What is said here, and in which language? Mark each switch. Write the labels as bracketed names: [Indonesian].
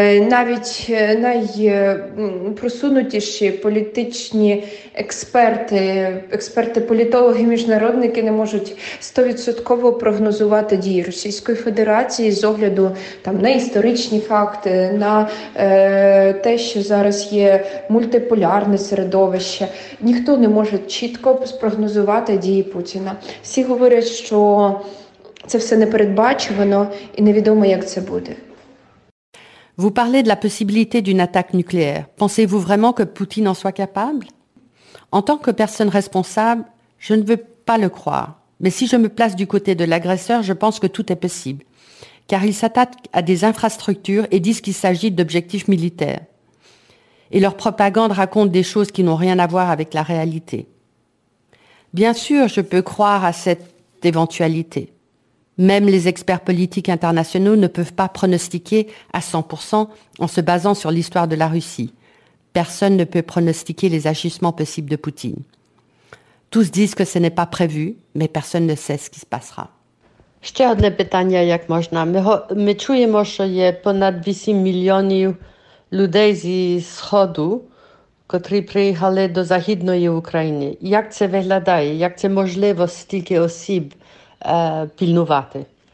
[Ukrainian] Навіть найпросунутіші політичні експерти-політологи, міжнародники не можуть 100% прогнозувати дії Російської Федерації з огляду там на історичні факти, на те, що зараз є мультиполярне середовище. Ніхто не може чітко спрогнозувати дії Путіна. Всі говорять, що це все непередбачувано і невідомо, як це буде. [French] Vous parlez de la possibilité d'une attaque nucléaire. Pensez-vous vraiment que Poutine en soit capable? En tant que personne responsable, je ne veux pas le croire. Mais si je me place du côté de l'agresseur, je pense que tout est possible. Car ils s'attaquent à des infrastructures et disent qu'il s'agit d'objectifs militaires. Et leur propagande raconte des choses qui n'ont rien à voir avec la réalité. Bien sûr, je peux croire à cette éventualité. Même les experts politiques internationaux ne peuvent pas pronostiquer à 100% en se basant sur l'histoire de la Russie. Personne ne peut pronostiquer les agissements possibles de Poutine. Tous disent que ce n'est pas prévu, mais personne ne sait ce qui se passera. [Ukrainian] Ще одне питання, як можна. Ми чуємо, що є понад 8 мільйонів людей зі Сходу, котрі приїхали до Західної України. Як це виглядає? Як це можливо стільки осіб пільнувати?